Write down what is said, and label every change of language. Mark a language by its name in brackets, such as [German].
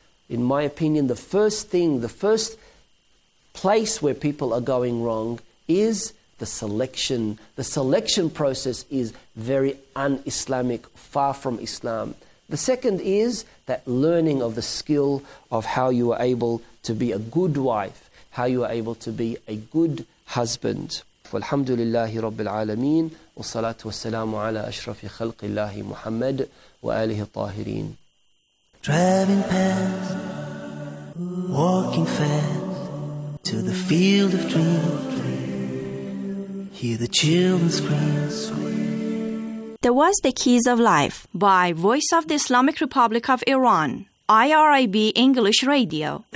[English] In my opinion, the first thing, the first place where people are going wrong is the selection. The selection process is very un-Islamic, far from Islam. The second is that learning of the skill of how you are able to be a good wife, how you are able to be a good husband. [Arabic] والحمد لله رب العالمين والصلاة والسلام على أشرف خلق الله محمد وآله الطاهرين. [English] Driving past, walking fast to the field of dreams. Hear the children scream. There was the Keys of Life by Voice of the Islamic Republic of Iran, IRIB English Radio.